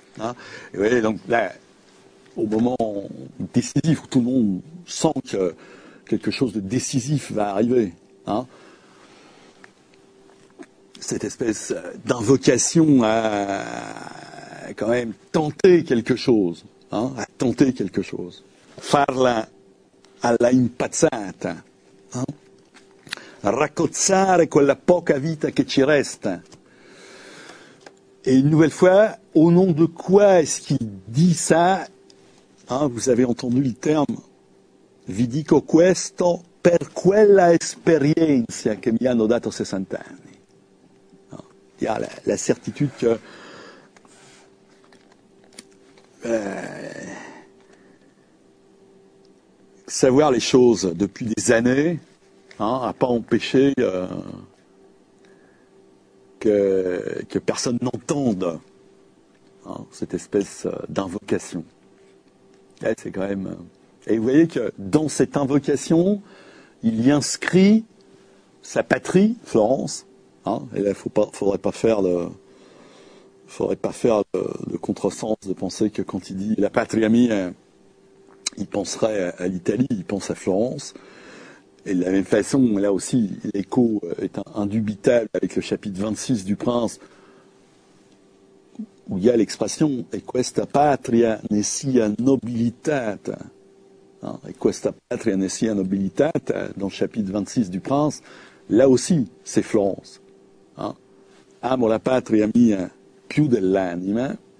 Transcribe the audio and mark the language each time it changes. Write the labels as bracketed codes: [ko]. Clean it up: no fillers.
[fr] Ah, vous voyez, donc là, au moment décisif où tout le monde sent que quelque chose de décisif va arriver, hein. Cette espèce d'invocation à quand même tenter quelque chose, hein, à tenter quelque chose. [it] Farla alla impazzata, hein. Raccozzare quella poca vita che ci resta. [fr] Et une nouvelle fois, au nom de quoi est-ce qu'il dit ça, hein, vous avez entendu le terme. [it] Vi dico questo per quella esperienza che mi hanno dato 60 anni. [fr] Il y a la certitude que savoir les choses depuis des années, hein, a pas empêché que personne n'entende, hein, cette espèce d'invocation. Et c'est quand même. Et vous voyez que dans cette invocation, il y inscrit sa patrie, Florence. Hein, et là, il ne faudrait pas faire de contresens de penser que quand il dit [it] la patria mia, [fr] il penserait à l'Italie, il pense à Florence. Et de la même façon, là aussi, l'écho est indubitable avec le chapitre 26 du Prince, où il y a l'expression « [it] E questa patria ne sia nobilitata ». [fr] Et [it] Questa patria ne sia nobilitate, [fr] dans le chapitre 26 du Prince, là aussi, c'est Florence. [it] Amo la patria mia più dell'anima.